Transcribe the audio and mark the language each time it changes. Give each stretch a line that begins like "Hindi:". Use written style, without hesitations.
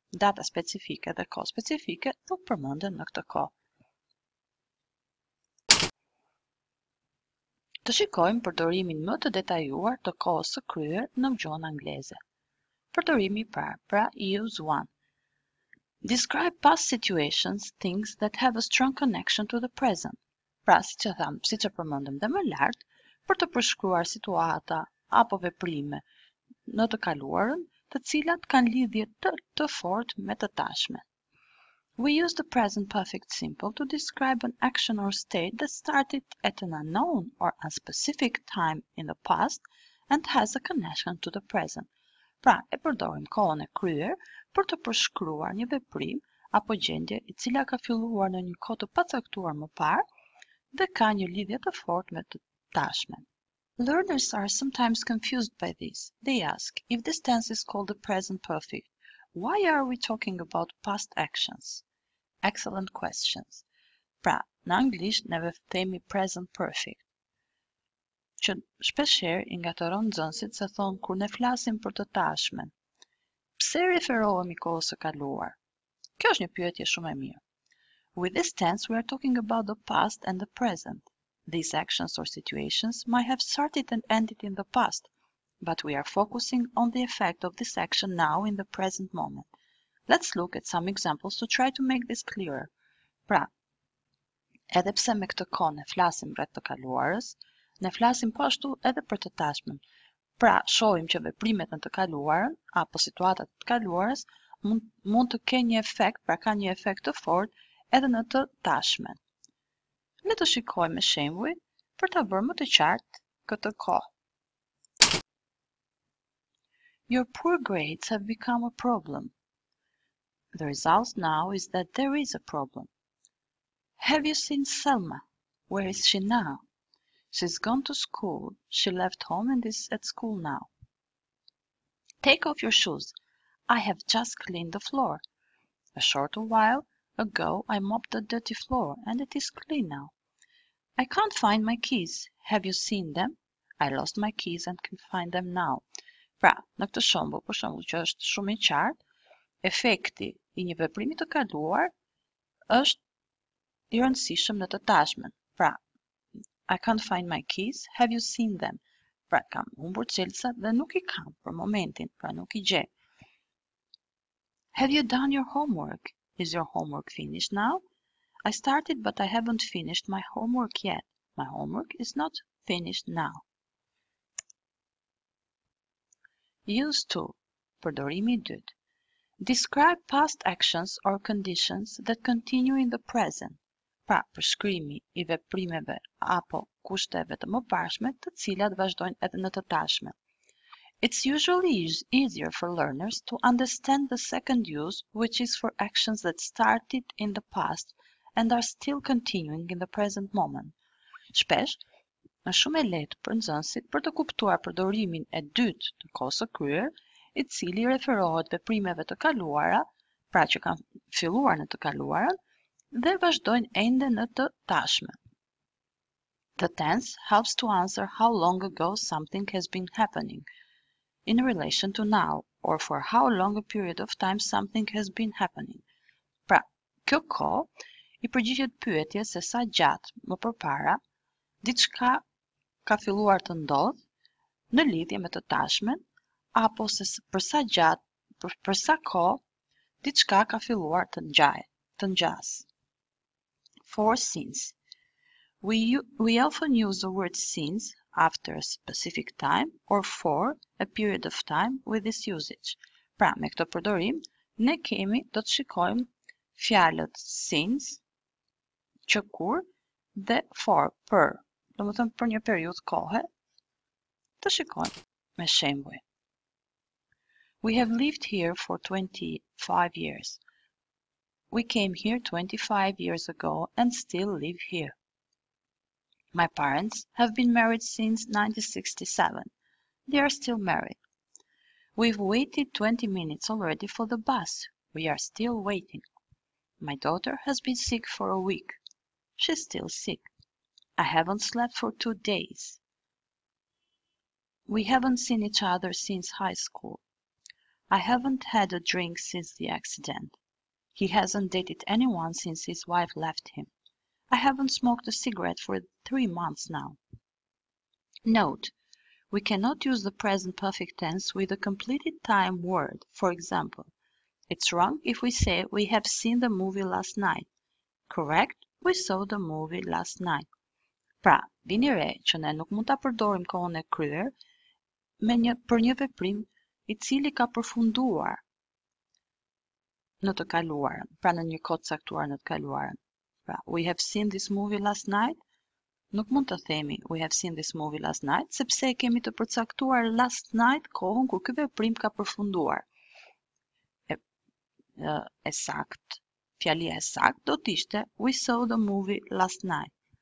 Albanian: Data specifike dhe kohë specifike nuk përmenden në këtë kohë. Të shikojmë përdorimin më të detajuar të kohës së kryer në gjuhën angleze. Përdorimi I parë, pra
English: use 1. Describe past situations, things that have a strong connection to the present.
Albanian: Pra, siç e thamë, siç e përmendëm dhe më lart, për të përshkruar situata apo veprime në të kaluarën, të cilat kanë lidhje të fortë me të tashmen.
English: We use the present perfect simple to describe an action or state that started at an unknown or unspecific time in the past and has a connection to the present.
Albanian: Pra, e përdorim kohën e kryer për të përshkruar një veprim apo gjendje I cila ka filluar në një kohë të pacaktuar më parë dhe ka një lidhje të fortë me të tashmen.
English: Learners are sometimes confused by this. They ask, if this tense is called the present perfect, why are we talking about past actions? Excellent questions.
Albanian: Pra, në anglisht neve themi present perfect. Që shpeshherë I ngatëron nxënësit se thonë kur ne flasim për të tashmen. Pse referohemi kohës së kaluar? Kjo është një pyetje shumë e mirë.
English: With this tense we are talking about the past and the present. These actions or situations might have started and ended in the past, but we are focusing on the effect of this action now in the present moment. Let's look at some examples to try to make this clearer.
Albanian: Pra, edhe pse me këtë kohë ne flasim rreth të kaluarës, Ne flasim po ashtu edhe për të tashmen. Pra, shohim që veprimet në të kaluarën apo situatat të kaluarës mund të kenë një efekt, pra ka një efekt të fortë edhe në të tashmen. Le të shikojmë shembuj për ta bërë më të qartë këtë kohë.
English: Your poor grades have become a problem. The result now is that there is a problem. Have you seen Selma? Where is she now? She's gone to school. She left home and is at school now. Take off your shoes. I have just cleaned the floor. A short while ago I mopped the dirty floor and it is clean now. I can't find my keys. Have you seen them? I lost my keys and can find them now.
Albanian: Pra, në këtë shembull, për shembull që është shumë i qartë, efekti i një veprimi të kaluar është i rëndësishëm në të tashmen.
English: Pra, I can't find my keys, have you seen them?
Albanian: Pra, kam humbur çelësat dhe nuk i kam për momentin, pra nuk i gjej.
English: Have you done your homework? Is your homework finished now? I started but I haven't finished my homework yet. My homework is not finished now. Used to,
Albanian: përdorimi I dytë.
English: Describe past actions or conditions that continue in the present.
Albanian: Pra, përshkrimi I veprimeve apo kushteve të mëparshme të cilat vazhdojnë edhe në të tashme.
English: It's usually easier for learners to understand the second use, which is for actions that started in the past and are still continuing in the present moment.
Albanian: Shpesh, në shumë e lehtë për nxënësit për të kuptuar përdorimin e dytë të kohës së kryer, I cili referohet veprimeve të kaluara, pra që kanë filluar në të kaluarën, dhe vazhdojnë ende në të tashme.
English: The tense helps to answer how long ago something has been happening in relation to now, or for how long a period of time something has been happening.
Albanian: Pra, kjo kohë I përgjigjet pyetjes se sa gjatë më përpara diçka ka filluar të ndodhë në lidhje me të tashmen, apo se përsa gjatë, përsa kohë, diçka ka filluar të ngjasë.
English: For since. We often use the word since after a specific time or for a period of time with this usage.
Albanian: Pra, me këto përdorim, ne kemi do të shikojmë fjalët since, që kur, dhe for, për. Do më thëmë për një periud kohë, të shikojmë me shembuj.
English: We have lived here for 25 years. We came here 25 years ago and still live here. My parents have been married since 1967. They are still married. We've waited 20 minutes already for the bus. We are still waiting. My daughter has been sick for a week. She's still sick. I haven't slept for 2 days. We haven't seen each other since high school. I haven't had a drink since the accident. He hasn't dated anyone since his wife left him. I haven't smoked a cigarette for 3 months now. Note, we cannot use the present perfect tense with a completed time word. For example, it's wrong if we say we have seen the movie last night. Correct, we saw the movie last night.
Albanian: Pra, vini re që ne nuk mund ta përdorim kohën e kryer me një për një veprim I cili ka përfunduar në të kaluarën, pra në një kohë caktuar në të kaluarën.
English: Pra, we have seen this movie last night.
Albanian: Nuk mund të themi
English: we have seen this movie last night
Albanian: sepse kemi të përcaktuar last night kohën kur ky veprim ka përfunduar. E sakt, fjalia e sakt do të ishte
English: we saw the movie last night.